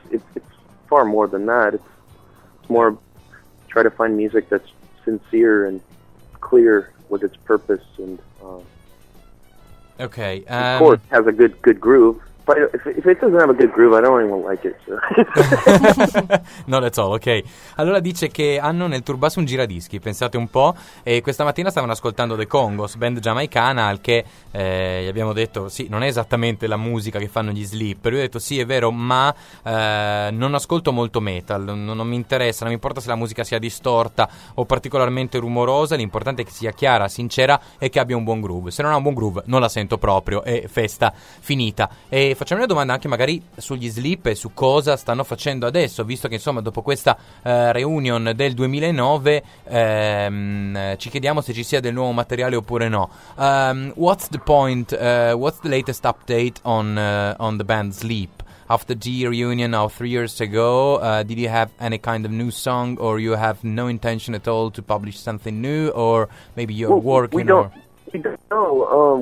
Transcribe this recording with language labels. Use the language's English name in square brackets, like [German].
[English] It's far more than that. It's more try to find music that's sincere and clear with its purpose and. Okay. Of course, has a good groove, but if it doesn't have a good groove, I don't even like it. No, that's all. Okay. [Italian] Allora dice che hanno nel tour bus un giradischi. Pensate un po'. E questa mattina stavano ascoltando The Congos, band giamaicana, al che gli abbiamo detto sì, non è esattamente la musica che fanno gli Sleep. Lui ha detto sì, è vero, ma non ascolto molto metal. Non mi interessa. Non mi importa se la musica sia distorta o particolarmente rumorosa. L'importante è che sia chiara, sincera e che abbia un buon groove. Se non ha un buon groove, non la sento proprio. E festa finita. E facciamo una domanda anche magari sugli Sleep e su cosa stanno facendo adesso, visto che insomma dopo questa reunion del 2009 ci chiediamo se ci sia del nuovo materiale oppure no. [English] What's the point, what's the latest update on the band Sleep? After the reunion of 3 years ago, did you have any kind of new song, or you have no intention at all to publish something new, or maybe you're working? We don't know.